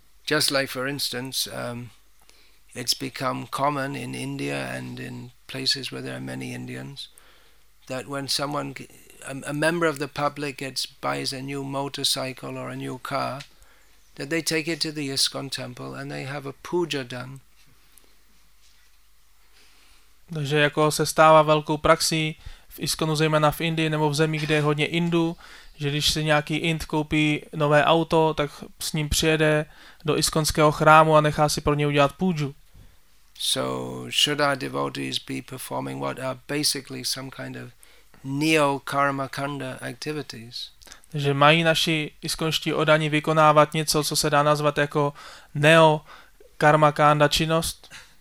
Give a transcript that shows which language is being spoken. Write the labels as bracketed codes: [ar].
[en] Just like for instance, it's become common in India and in places where there are many Indians that when someone, a member of the public gets buys a new motorcycle or a new car, that they take it to the ISKCON temple and they have a puja done. [cs] Takže jako se stává velkou praxí v ISKCONu, zejména v Indii nebo v zemích, kde je hodně Indů, že když si nějaký Ind koupí nové auto, tak s ním přijede do ISKCONského chrámu a nechá si pro ně udělat půdžu. [en] So should our devotees be performing what are basically some kind of neo karma kanda activities? [cs] Takže mají naši ISKCONští oddaní vykonávat něco, co se dá nazvat jako neo karma kanda činnost?